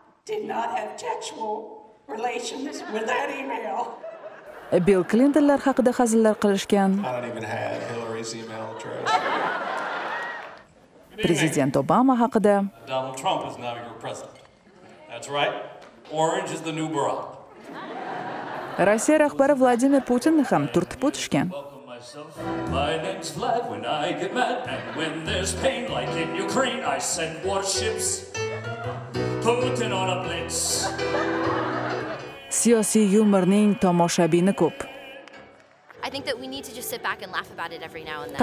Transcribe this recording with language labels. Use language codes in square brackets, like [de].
[en] Did not have sexual relations with that email. [uz] Bill Clintonlar haqida hazillar qilishgan. [en] I don't even have Hillary's email address. [uz] Prezident Obama haqida. [en] Donald Trump is now your president. That's right. Orange is the new black. [uz] Rossiya rahbari Vladimir Putinni ham turtib o'tishgan. [en] My name's Vlad when I get mad and when there's pain like in Ukraine I send warships Putin on a blitz. [uz] Siyosiy yumorning tomoshabini ko'p. [en] I think that we need to just sit back and laugh about it every now and then.